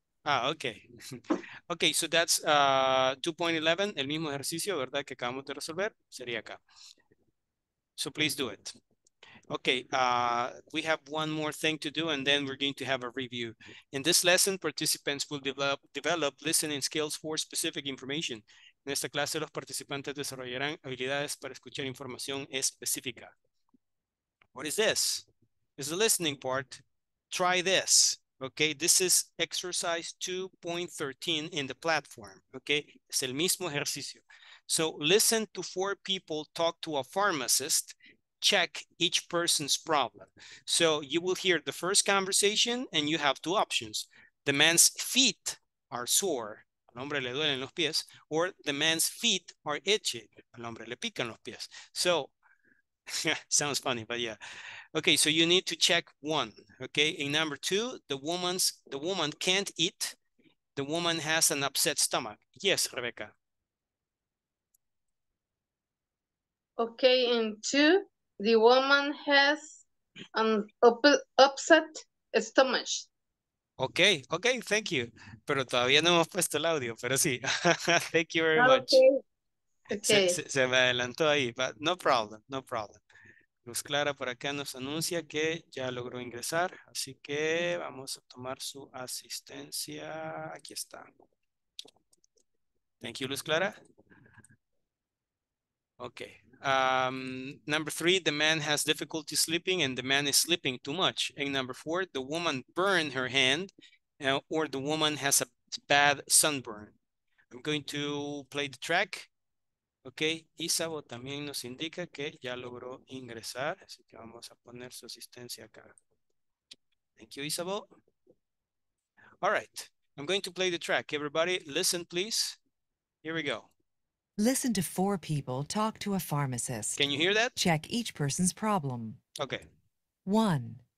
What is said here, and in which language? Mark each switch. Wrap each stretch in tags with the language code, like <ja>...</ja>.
<en>Ah, okay. Okay, so that's 2.11,</en> <es>el mismo ejercicio, ¿verdad? Que acabamos de resolver, sería acá.</es> <en>So please do it. Okay, we have one more thing to do and then we're going to have a review. In this lesson, participants will develop listening skills for specific information.</en> <es>En esta clase, los participantes desarrollarán habilidades para escuchar información específica.</es> <en>What is this? It's the listening part. Try this. Okay, this is exercise 2.13 in the platform. Okay,</en> <es>es el mismo ejercicio.</es> <en>So listen to four people talk to a pharmacist, check each person's problem. So you will hear the first conversation and you have two options. The man's feet are sore,</en> <es>al hombre le duelen los pies,</es> <en>or the man's feet are itchy,</en> <es>al hombre le pican los pies.</es> <en>So, sounds funny, but yeah. Okay, so you need to check one, okay? In number two, the woman can't eat. The woman has an upset stomach. Yes, Rebecca. Okay, in two, the woman has an upset stomach. Okay, thank you.</en> <es>Pero todavía no hemos puesto el audio, pero sí.</es> <en>Thank you very much. Okay.</en> <es>Se me adelantó ahí,</es> <en>but no problem.</en> <es>Luz Clara por acá nos anuncia que ya logró ingresar, así que vamos a tomar su asistencia. Aquí está.</es> <en>Thank you,</en> <es>Luz Clara.</es> <en>Okay. Number three, the man has difficulty sleeping and the man is sleeping too much. And number four, the woman burned her hand or the woman has a bad sunburn. I'm going to play the track.</en> <es>Okay, Isabo también nos indica que ya logró ingresar, así que vamos a poner su asistencia acá.</es> <en>Thank you, Isabo. All right, I'm going to play the track. Everybody, listen, please. Here we go. Listen to four people talk to a pharmacist. Can you hear that? Check each person's problem. Okay. One.</en>